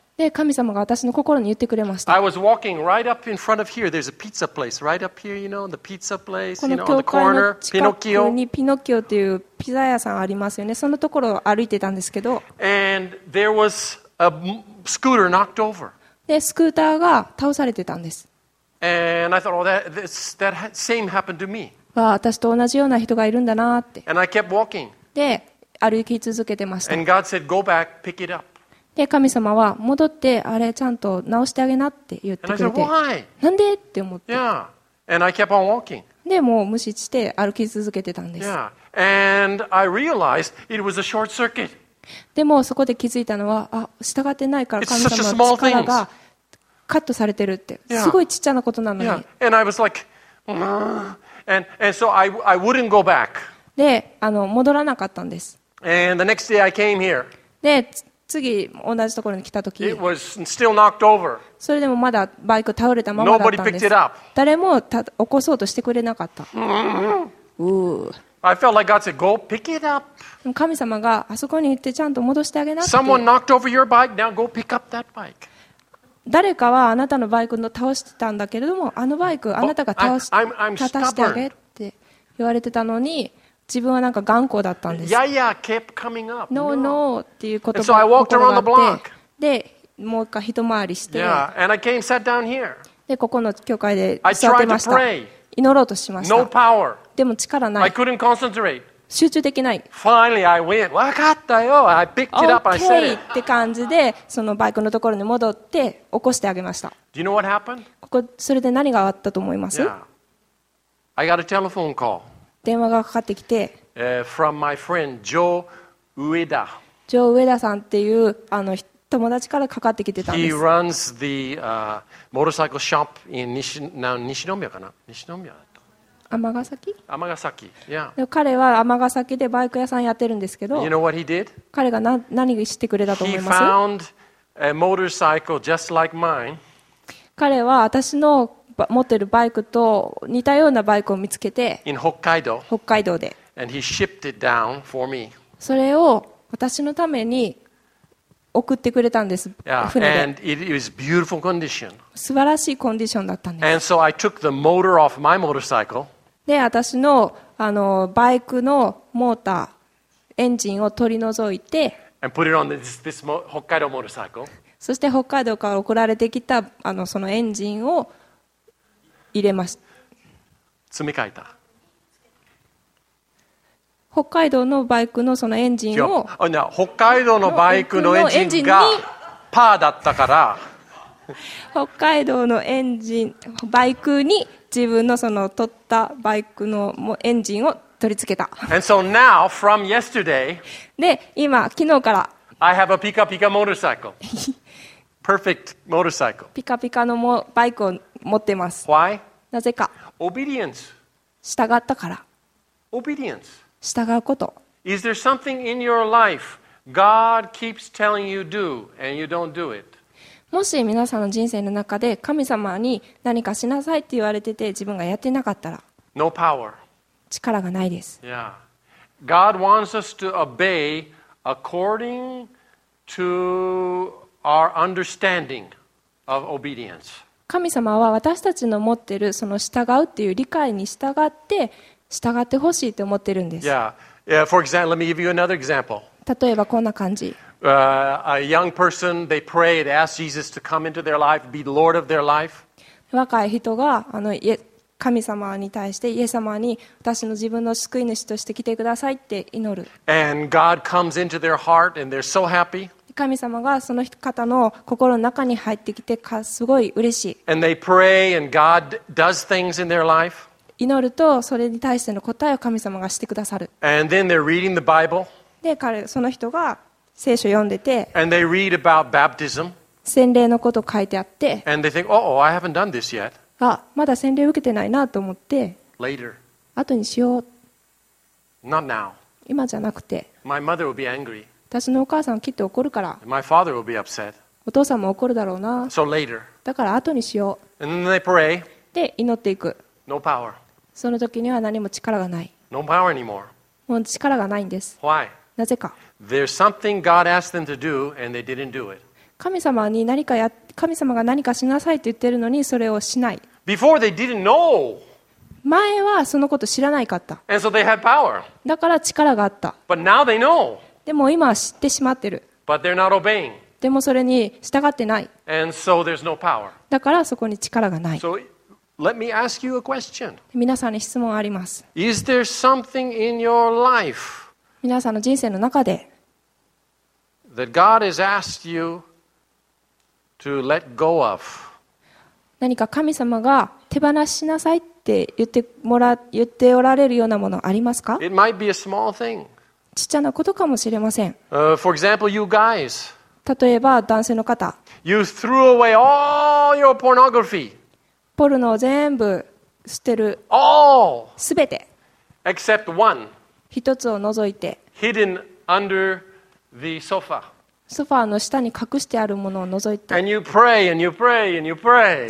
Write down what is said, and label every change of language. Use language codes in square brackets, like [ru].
[ja] で神様が私の心に言ってくれました。 [en] I was walking right up in front of here. There's a pizza place right up here, you know, the pizza place, you know, on the corner, Pinocchio. [ja] このピノキオというピザ屋さんありますよね。そのところを歩いてたんですけど。 [en] And there was a scooter knocked over. [ja] で、スクーターが倒されてたんです。 [en] And I thought, oh, that same happened to me. [ja] わあ、私と同じような人がいるんだなって。 [en] And I kept walking. [ja] で、歩き続けてました。 [en] And God said, go back, pick it up. [ja] で、神様は戻ってあれちゃんと直してあげなって言ってくれて。 [en] And I said, why? [ja] なんでって思って。 [en] Yeah. And I kept on walking. [ja] でもう無視して歩き続けてたんです。 [en] Yeah. And I realized it was a short circuit. [ja] でもそこで気づいたのは、あ、従ってないから神様の力がカットされてるって。 [en] Yeah. [ja] すごいちっちゃなことなのに。 [en] Yeah. And I was like, and so I wouldn't go back. [ja] で、戻らなかったんです。 [en] And the next day I came here. [ja] で、次同じところに来た時、 [en] It was still knocked over. [ja] それでもまだバイク倒れたままだったんです。 [en] Nobody picked it up. [ja] 誰も起こそうとしてくれなかった。うん。 [en] I felt like God said, "Go pick it up." [ja] 神様があそこに行ってちゃんと戻してあげなって。 [en] Someone knocked over your bike. Now go pick up that bike. [ja] 誰かはあなたのバイクの倒してたんだけれども、あのバイクあなたが倒し、立たしてあげって言われてたのに。自分はなんか頑固だったんです。 [en] Yeah, yeah, kept coming up. No, no, no. [ja] っていう言葉。 [en] So I walked around the block. [ja] で、もう一回一回りして。 [en] Yeah, and I came sat down here. [ja] で、ここの教会で座ってました。 [en] I tried to pray. [ja] 祈ろうとしました。 [en] No power. [ja] でも力ない。 [en] I couldn't concentrate. [ja] 集中できない。 [en] Finally, I went. [ja] わかったよ。 [en] I picked it up. I said it. Okay. [ja] って感じで、そのバイクのところに戻って起こしてあげました。 [en] Do you know what happened? [ja] ここそれで何があったと思います [en] ？Yeah. I got a telephone call. [ja] 電話がかかってきて、 [en] from my friend Joe Ueda. [ja] ジョー・ウェダさんっていうあの友達からかかってきてたんです。 [en] He runs the motorcycle shop in [ja] 西宮かな、西宮だと尼崎、 [en] yeah. [ja] 彼は尼崎でバイク屋さんやってるんですけど、 [en] you know what he did? [ja] 彼が 何してくれたと思います。 [en] He found a motorcycle just like mine. [ja] 彼は私の持ってるバイクと似たようなバイクを見つけて、 [en] in Hokkaido. [ja] 北海道で、 [en] and he shipped it down for me. [ja] それを私のために送ってくれたんです、船で。 [en] And it was beautiful condition. [ja] 素晴らしいコンディションだったんです。 [en] And so I took the motor off my motorcycle. [ja] で、私の、あのバイクのモーター、エンジンを取り除いて、 [en] And put it on this Hokkaido motorcycle. [ja] そして北海道から送られてきたあのそのエンジンを入れました。積み替えた。北海道のバイクのそのエンジンを、北海道のバイクのエンジンがパーだったから、北海道のエンジンバイクに自分のその取ったバイクのエンジンを取り付けた。 [en] And so now, from yesterday, [ja] で今昨日から、 [en] I have a [ja] ピカピカ [en] motorcycle. Perfect motorcycle. [ja] ピカピカのバイクを持ってます。 [en] Why? [ja] なぜか。 [en] Obedience. [ja] 従ったから。 [en] Obedience. [ja] 従うこと。 [en] Is there something in your life God keeps telling you do and you don't do it? [ja] もし皆さんの人生の中で神様に何かしなさいって言われてて自分がやってなかったら、 [en] No power. [ja] 力がないです。 [en] Yeah. God wants us to obey according to our understanding of obedience. [ja] 神様は私たちの持ってるその従うっていう理解に従って。従ってほしいと思ってるんです。 [en] yeah. Yeah, for example, let me give you another example. [ja] 例えばこんな感じ、 [en] a young person, they prayed, asked Jesus to come into their life, be Lord of their life. [ja] 若い人があの神様に対してイエス様に私の自分の救い主として来てくださいって祈る。 [en] And God comes into their heart and they're so happy. [ja] 神様がその方の心の中に入ってきてすごい嬉しい。 [en] And they pray and God does things in their life. [ja] 祈るとそれに対しての答えを神様がしてくださる。 [en] And then they're reading the Bible. [ja] で、彼その人が聖書を読んでて、 [en] And they read about baptism. [ja] 洗礼のことを書いてあって、 [en] And they think, oh, I haven't done this yet. [ja] あ、まだ洗礼を受けてないなと思って、 [en] Later. [ja] 後にしよう。 [en] Not now. [ja] 今じゃなくて、 [en] My mother will be angry. [ja] 私のお母さんきっと怒るから、 [en] My father will be upset. [ja] お父さんも怒るだろうな。 [en] So later. [ja] だから後にしよう。 [en] And then they pray. [ja] で、祈っていく。 [en] No power. [ja] その時には何も力がない。 [en] No power anymore. [ja] もう力がないんです。 [en] Why? [ja] なぜか。 [en] There's something God asked them to do and they didn't do it. [ja] 神様が何かしなさいと言ってるのにそれをしない。 [en] Before they didn't know. [ja] 前はそのこと知らないかった。 [en] And so they had power. [ja] だから力があった。 [en] But now they know. [ja] でも今は知ってしまってる。 [en] But they're not obeying. [ja] でもそれに従ってない。 [en] And so there's no power. [ja] だからそこに力がない。 [en] So,Let me ask you a question. [ja] 皆さんに質問あります。 [en] Is there something in your life? [ja] 皆さんの人生の中で、 [en] that God has asked you to let go of. [ja] 何か神様が手放しなさいって言っておられるようなものありますか？ [en] It might be a small thing. [ja] ちっちゃなことかもしれません。 [en] For example, you guys. [ja] 例えば男性の方。 [en] You threw away all your pornography. [ja] ポルノを全部捨てる。 [en] All! [ja] すべて。 [en] Except one. [ja] 一つを除いて。 [en] Hidden under the sofa. [ja] ソファーの下に隠してあるものを除いて。 [en] And you pray and you pray and you pray.